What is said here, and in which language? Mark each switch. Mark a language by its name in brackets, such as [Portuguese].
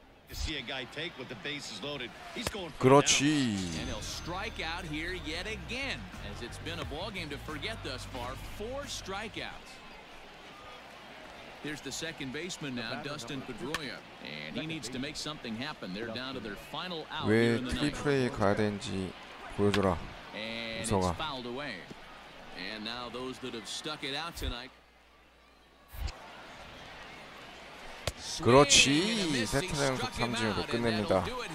[English] To see a guy take with the bases loaded, he's going. [Korean] 그렇지. [English] And he'll strike out here yet again, as it's been a ball game to forget thus far. Four strikeouts. Here's the second baseman now, Dustin Pedroia, and he needs to make something happen. They're down to their final out. [Korean] 왜 트리플A에 가야 되는지 보여줘라. 무서워. [English] It's fouled away. And now those that have stuck it out tonight. [Korean] 그렇지. 세트는 3진으로 끝냅니다.